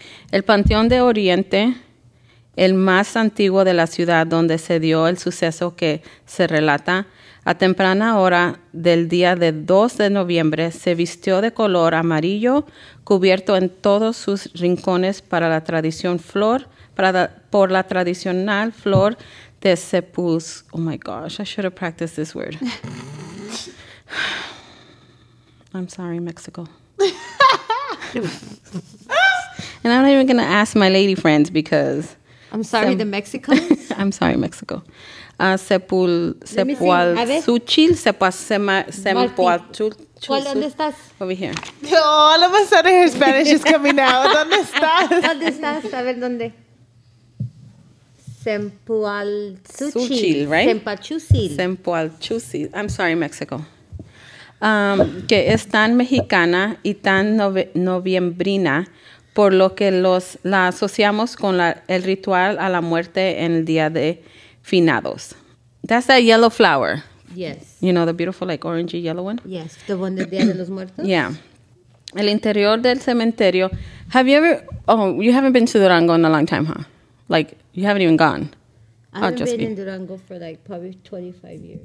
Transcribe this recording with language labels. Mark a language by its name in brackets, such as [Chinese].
[Spanish] El Panteón de Oriente, el más antiguo de la ciudad donde se dio el suceso que se relata, a temprana hora del día de 2 de noviembre se vistió de color amarillo, cubierto en todos sus rincones por la tradicional flor de sepuls. [English] Oh my gosh, I should have practiced this word. I'm sorry, Mexico. And I'm not even going to ask my lady friends because... I'm sorry, the Mexicans? I'm sorry, Mexico. Sepulchil, Sepulchil. [Spanish] ¿Dónde estás? [English] Over here. All of a sudden, her Spanish is coming out. [Spanish] ¿Dónde estás? ¿Dónde estás? A ver, ¿dónde? Sepulchil, [English] right? I'm sorry, Mexico. [Spanish] Que es tan mexicana y tan noviembrina, por lo que la asociamos con el ritual a la muerte en el día de finados. [English] That's that yellow flower. Yes. You know, the beautiful, like, orangey yellow one? Yes, the one [Spanish] del Día de los Muertos. Yeah. El interior del cementerio. [English] You haven't been to Durango in a long time, huh? Like, you haven't even gone. I haven't been in Durango for, like, probably 25 years.